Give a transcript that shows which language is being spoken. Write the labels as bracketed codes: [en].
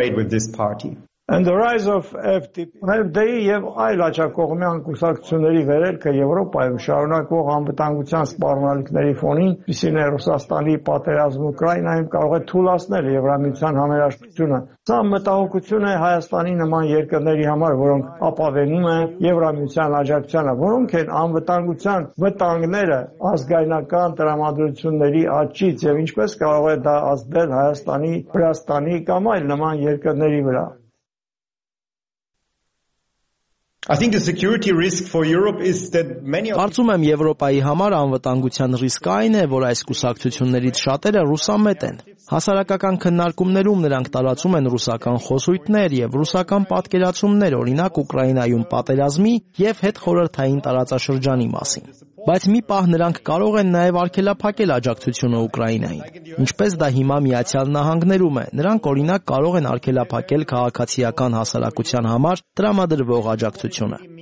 [en] And the rise of FDP, [hy] FDP-ի եւ այլ աջակողմյան կուսակցությունների վերելքը Եվրոպայում շարունակվող անվտանգության սպառնալիքների ֆոնին Միսին Ռուսաստանի պատերազմը Ուկրաինայում կարող է թույլատրել Եվրամիության համերաշխությունը։ Սա մտահոգություն է Հայաստանի նման երկրների համար, որոնք ապավենում են Եվրամիության աջակցությանը, որոնք են անվտանգության վտանգները ազգայնական տրամադրությունների աճից եւ ինչպես կարող է դա ազդել Հայաստանի, Վրաստանի կամ այլ նման երկրների վրա։ [en] I think the security risk for Europe is that many of [hy] Արցում եմ Եվրոպայի համար անվտանգության ռիսկը այն է, որ այս կուսակցություններից շատերը ռուսամետ են։ Հասարակական քննարկումներում նրանք տարածում են ռուսական խոսույթներ եւ ռուսական պատկերացումներ, օրինակ Ուկրաինայում պատերազմի եւ հետխորհրդային տարածաշրջանի մասին։ Բայց մի պահ նրանք կարող են նաև արգելափակել աջակցությունը Ուկրաինային։ Ինչպես դա հիմա Միացյալ Նահանգներում է, նրանք օրինակ կարող են արգելափակել քաղաքացիական հասարակության համար տրամադրվող աջակցությունը։